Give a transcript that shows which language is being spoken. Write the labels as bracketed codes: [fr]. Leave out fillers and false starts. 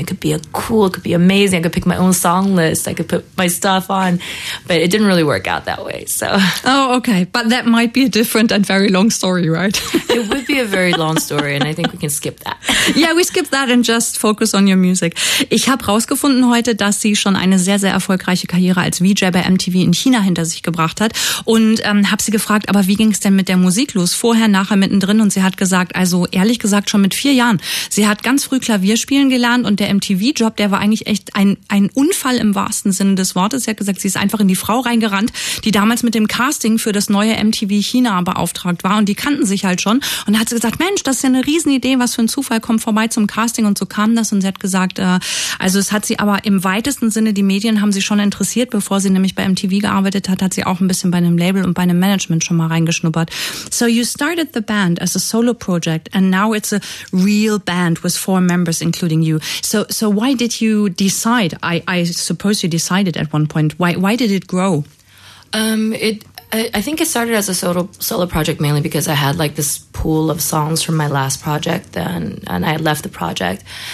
[en] It could be cool. It could be amazing. I could pick my own song list. I could put my stuff on, but it didn't really work out that way. So, oh, okay, but that might be a different and very long story, right? It would be a very long story, and I think we can skip that. Yeah, we skip that and just focus on your music. [de] Ich habe rausgefunden heute, dass sie schon eine sehr, sehr erfolgreiche Karriere als VJ bei MTV in China hinter sich gebracht hat und habe sie gefragt, aber wie ging es denn mit der Musik los? Vorher, nachher, mittendrin? Und sie hat gesagt, also ehrlich gesagt, schon mit 4 Jahren. Sie hat ganz früh Klavierspielen gelernt und der MTV-Job, der war eigentlich echt ein Unfall im wahrsten Sinne des Wortes. Sie hat gesagt, sie ist einfach in die Frau reingerannt, die damals mit dem Casting für das neue MTV China beauftragt war und die kannten sich halt schon. Und da hat sie gesagt, Mensch, das ist ja eine Riesenidee, was für ein Zufall, kommt vorbei zum Casting und so kam das. Und sie hat gesagt, also es hat sie aber im weitesten Sinne, die Medien haben sie schon interessiert, bevor sie nämlich bei MTV gearbeitet hat, hat sie auch ein bisschen bei einem Label und bei einem Management schon mal reingeschnuppert. [en] So you started the band as a solo project and now it's a real band with 4 members including you. So why did you decide? I suppose you decided at one point. Why did it grow? I think it started as a solo project mainly because I had like this pool of songs from my last project and I had left the project.